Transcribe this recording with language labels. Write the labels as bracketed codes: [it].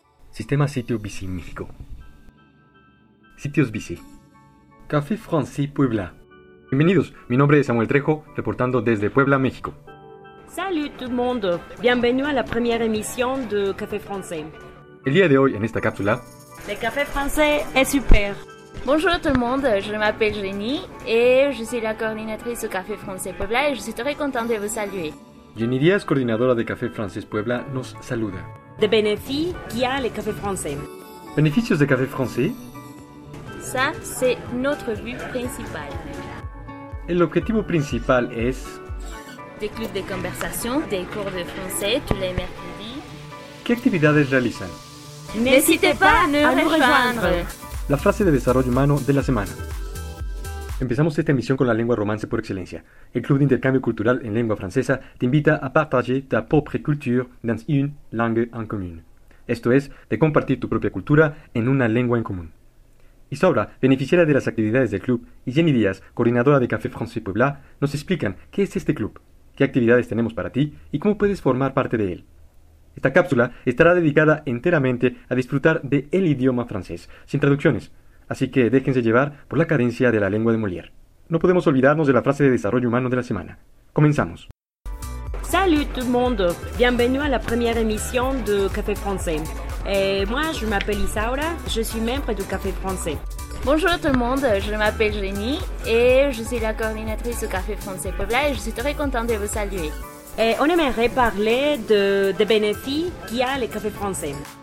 [es] Sistema Sitio ViSí México. Sitios ViSí. Café Français Puebla. Bienvenidos, mi nombre es Samuel Trejo, reportando desde Puebla, México. [fr] Salut tout le monde, bienvenue à la première émission de Café Français. [es] El día de hoy, en esta cápsula... [fr] Le Café Français est super. Bonjour tout le monde, je m'appelle Jenny et je suis la coordinatrice du Café Français Puebla et je suis très contente de vous saluer. [es] Jenny Díaz, coordinadora de Café Français Puebla, nos saluda. [fr] De bénéfices qu'il y a le Café Français. Bénéfices de Café Français? Ça, c'est notre but principal. Et l'objectif principal est... Des clubs de conversation, des cours de français tous les mercredis. [es] ¿Qué actividades realizan? [fr] N'hésitez pas à nous rejoindre. [es] La frase de desarrollo humano de la semana. Empezamos esta emisión con la lengua romance por excelencia. El Club de Intercambio Cultural en Lengua Francesa te invita a [fr] partager ta propre culture dans une langue en commun. [es] Esto es, de compartir tu propia cultura en una lengua en común. Isaura, beneficiaria de las actividades del club, y Jenny Díaz, coordinadora de Café Français Puebla, nos explican qué es este club, qué actividades tenemos para ti y cómo puedes formar parte de él. Esta cápsula estará dedicada enteramente a disfrutar de el idioma francés, sin traducciones. Así que déjense llevar por la carencia de la lengua de Molière. No podemos olvidarnos de la frase de desarrollo humano de la semana. ¡Comenzamos! [fr] Salut tout le monde! Bienvenue à la première émission de Café Français. Et moi, je m'appelle Isaura, je suis membre du Café Français. Bonjour tout le monde, je m'appelle Jenny et je suis la coordinatrice du Café Français Puebla et je suis très contente de vous saluer. Et on aimerait parler des bénéfices qu'il y a le Café Français.